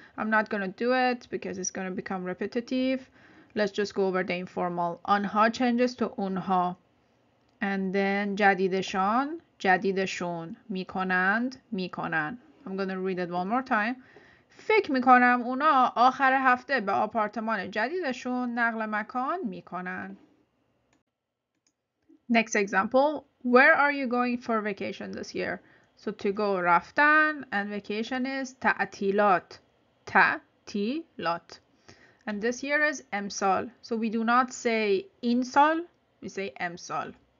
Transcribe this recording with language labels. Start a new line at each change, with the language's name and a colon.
English: I'm not going to do it because it's going to become repetitive. Let's just go over the informal. آنها changes to اونها. And then
Persian: جدیدشان جدیدشون می کنند می کنند.
English: I'm going to read it one more time.
Persian: فکر میکنم اونا آخر هفته به آپارتمان جدیدشون نقل مکان میکنن.
English: Next example. Where are you going for vacation this year? So to go رفتن and vacation is تعطیلات. تعطیلات. And this year is امسال. So we do not say
Persian: این سال.
English: We say امسال.